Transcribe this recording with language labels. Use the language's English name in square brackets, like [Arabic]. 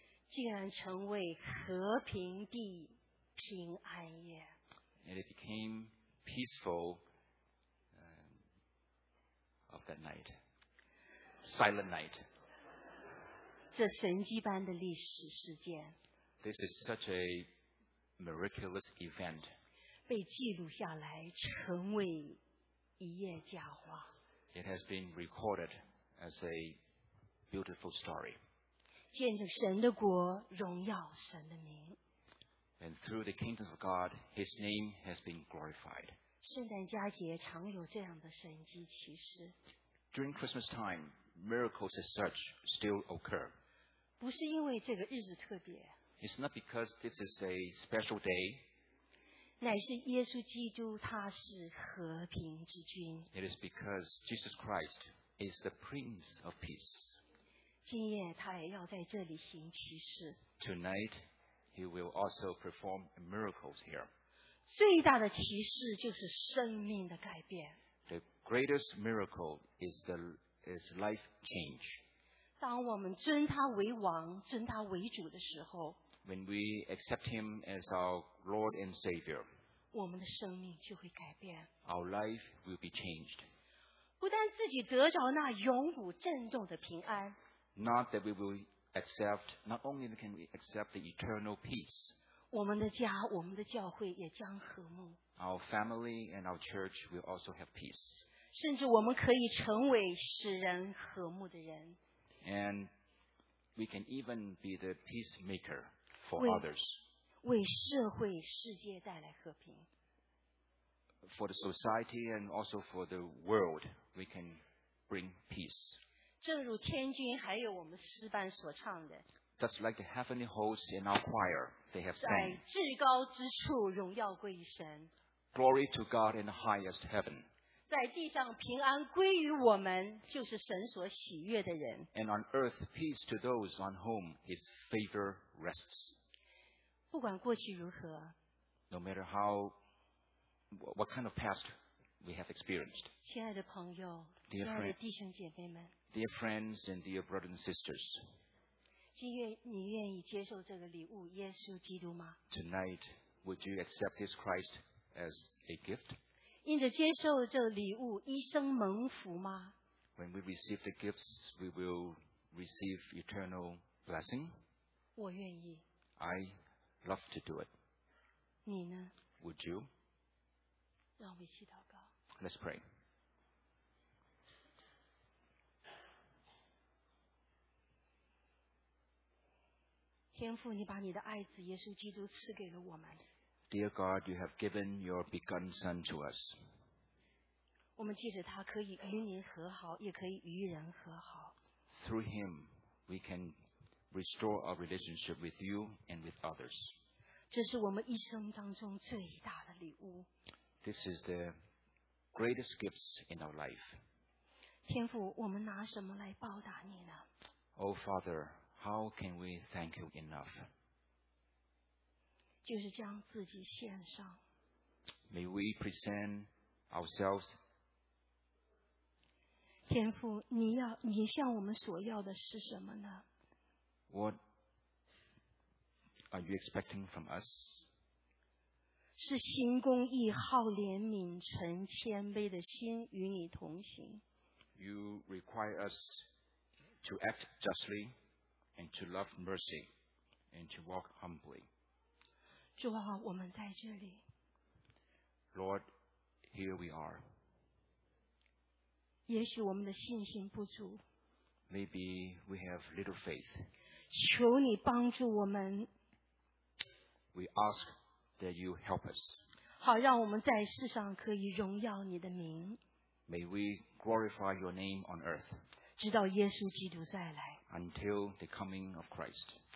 [Chinese] 竟然成为和平地平安夜。 [English] And it became peaceful of that night. Silent night. [Chinese] 这神迹般的历史事件。 [English] This is such a miraculous event. [Chinese] 被记录下来成为一页佳话。 [English] It has been recorded as a beautiful story. [Chinese] 见证神的国，荣耀神的名。 [English] And through the kingdom of God, His name has been glorified. [Chinese] 圣诞佳节常有这样的神迹奇事。 [English] During Christmas time, miracles as such still occur. [Chinese] 不是因为这个日子特别。 [English] It's not because this is a special day. [Chinese] 乃是耶稣基督他是和平之君。 [English] It is because Jesus Christ is the Prince of Peace. [Chinese] 今夜他也要在这里行奇事。 [English] Tonight,He will also perform miracles here. [Chinese] 最大的奇事就是生命的改变。 [English] The greatest miracle is life change. [Chinese] 当我们尊他为王，尊他为主的时候， [English] When we accept him as our Lord and Savior, [Chinese] 我们的生命就会改变。 [English] Our life will be changed. [Chinese] 不但自己得着那永不震动的平安。 [English] Not that we will. Accept, not only can we accept the eternal peace, [Chinese] 我们的家，我们的教会也将和睦。 [English] Our family and our church will also have peace. [Chinese] 甚至我们可以成为使人和睦的人。 [English] And we can even be the peacemaker for others. [Chinese] 为社会世界带来和平。 [English] For the society and also for the world, we can bring peace. [Chinese] 正如天君还有我们诗班所唱的。 [English] Just like the heavenly host in our choir, they have sang. [Chinese] 在至高之处荣耀归于神。 [English] Glory to God in the highest heaven. [Chinese] 在地上平安归于我们，就是神所喜悦的人。 [English] And on earth, peace to those on whom His favor rests. [Chinese] 不管过去如何。 [English] No matter what kind of past we have experienced. [Chinese] 亲爱的朋友，亲爱的弟兄姐妹们。 [English] Dear friends and dear brothers and sisters. [Chinese] 你愿意接受这个礼物，耶稣基督吗？ [English] Tonight, would you accept this Christ as a gift? [Chinese] 因着接受这个礼物，一生蒙福吗？ [English] When we receive the gifts, we will receive eternal blessing. [Chinese] 我愿意。 [English] I love to do it. [Chinese] 你呢？ [English] Would you? [Chinese] 让我们一起祷告。 [English] Let's pray. [Chinese] 天父，你把你的爱子耶稣基督赐给了我们。 [English] Dear God, you have given your begotten Son to us. [Chinese] 我们借着他可以与您和好，也可以与人和好。 [English] Through him, we can restore our relationship with you and with others. [Chinese] 这是我们一生当中最大的礼物。 [English] This is the greatest gifts in our life. [Chinese] 天父，我们拿什么来报答你呢？ [English] Oh Father. How can we thank you enough? [Chinese] 就是将自己献上。 [English] May we present ourselves? [Chinese] 天父，你向我们所要的是什么呢？ [English] What are you expecting from us? [Chinese] 是行公义、好怜悯、存谦卑的心与你同行。 [English] You require us to act justly. And to love mercy, and to walk humbly. [Chinese] 主啊，我们在这里。 [English] Lord, here we are. [Chinese] 也许我们的信心不足。 [English] Maybe we have little faith. [Chinese] 求你帮助我们。 [English] We ask that you help us. [Chinese] 好让我们在世上可以荣耀你的名。 [English] May we glorify your name on earth. [Chinese] 直到耶稣基督再来。 [English] Until the coming of Christ.